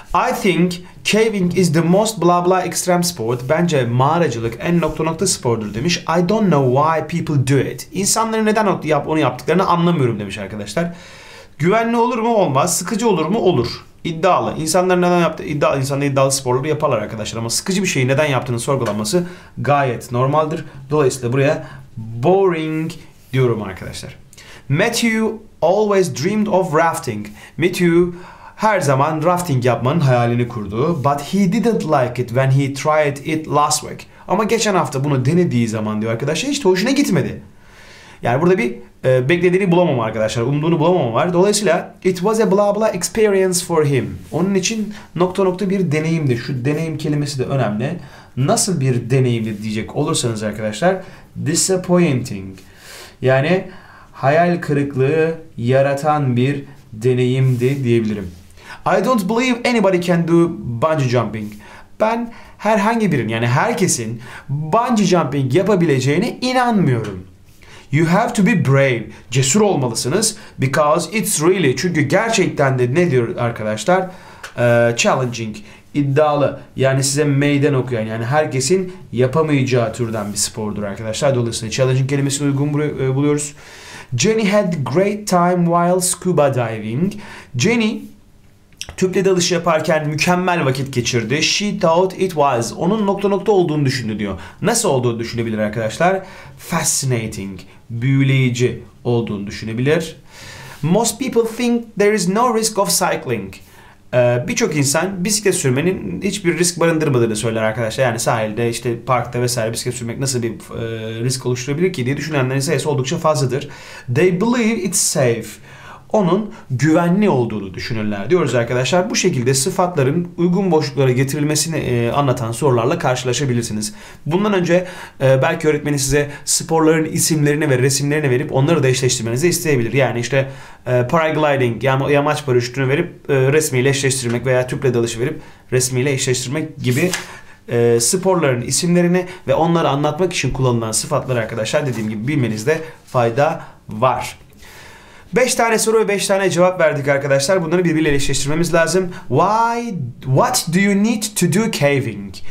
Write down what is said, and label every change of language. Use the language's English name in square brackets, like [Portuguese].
[English] I think caving is the most blah blah extreme sport. [Turkish] Bence mağaracılık en nokta nokta spordur demiş. [English] I don't know why people do it. [Turkish] İnsanların neden onu yaptıklarını anlamıyorum demiş arkadaşlar. Güvenli olur mu? Olmaz. Sıkıcı olur mu? Olur. İddialı. İnsanların neden yaptığı, insanlar iddialı sporları yaparlar arkadaşlar, ama sıkıcı bir şeyi neden yaptığını sorgulanması gayet normaldir. Dolayısıyla buraya boring diyorum arkadaşlar. [English] Matthew always dreamed of rafting. [Turkish] Matthew her zaman rafting yapmanın hayalini kurdu. [English] But he didn't like it when he tried it last week. [Turkish] Ama geçen hafta bunu denediği zaman diyor arkadaşlar hiç hoşuna gitmedi. Yani burada bir beklediğini bulamam arkadaşlar. Umduğunu bulamam var. Dolayısıyla [English] it was a blah blah experience for him. [Turkish] Onun için nokta nokta bir deneyimdi. Şu deneyim kelimesi de önemli. Nasıl bir deneyimdi diyecek olursanız arkadaşlar. Disappointing. Yani hayal kırıklığı yaratan bir deneyimdi diyebilirim. [English] I don't believe anybody can do bungee jumping. [Turkish] Ben herhangi birinin, yani herkesin bungee jumping yapabileceğine inanmıyorum. [English] You have to be brave. [Turkish] Cesur olmalısınız. [English] Because it's really, [Turkish] çünkü gerçekten de ne diyor arkadaşlar? Challenging, iddialı. Yani size meydan okuyan, yani herkesin yapamayacağı türden bir spordur arkadaşlar. Dolayısıyla challenging kelimesini uygun buluyoruz. [English] Jenny had great time while scuba diving. [Turkish] Jenny tüple dalış yaparken mükemmel vakit geçirdi. [English] She thought it was. [Turkish] Onun nokta nokta olduğunu düşündü diyor. Nasıl olduğunu düşünebilir arkadaşlar? Fascinating. Büyüleyici olduğunu düşünebilir. [English] Most people think there is no risk of cycling. [Turkish] Birçok insan bisiklet sürmenin hiçbir risk barındırmadığını söyler arkadaşlar. Yani sahilde, işte parkta vesaire bisiklet sürmek nasıl bir risk oluşturabilir ki diye düşünenlerin sayısı oldukça fazladır. [English] They believe it's safe. [Turkish] Onun güvenli olduğunu düşünürler diyoruz arkadaşlar. Bu şekilde sıfatların uygun boşluklara getirilmesini anlatan sorularla karşılaşabilirsiniz. Bundan önce belki öğretmeni size sporların isimlerini ve resimlerini verip onları da eşleştirmenizi isteyebilir. Yani işte paragliding, yani yamaç paraşütünü verip resmiyle eşleştirmek veya tüple dalışı verip resmiyle eşleştirmek gibi sporların isimlerini ve onları anlatmak için kullanılan sıfatları arkadaşlar dediğim gibi bilmenizde fayda var. 5 tane soru ve 5 tane cevap verdik arkadaşlar. Bunları birbirleriyle eşleştirmemiz lazım. [English] Why, what do you need to do caving?